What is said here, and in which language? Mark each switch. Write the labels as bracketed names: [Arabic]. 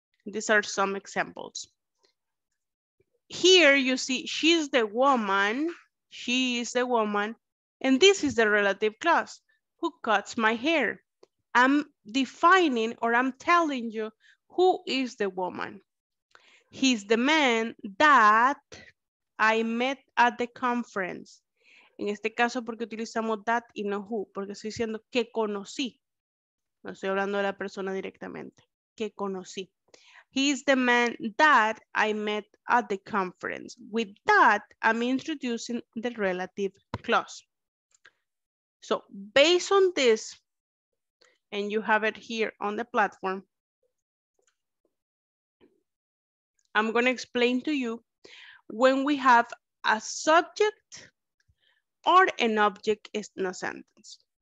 [English] These are some examples. Here you see she's the woman, she is the woman, and this is the relative clause, who cuts my hair. I'm defining, or I'm telling you, who is the woman. He's the man that I met at the conference. [Spanish] En este caso, porque utilizamos that y no who, porque estoy diciendo que conocí. No estoy hablando de la persona directamente, que conocí. [English] He's the man that I met at the conference. With that, I'm introducing the relative clause. So based on this, and you have it here on the platform, I'm going to explain to you when we have a subject or an object in a sentence.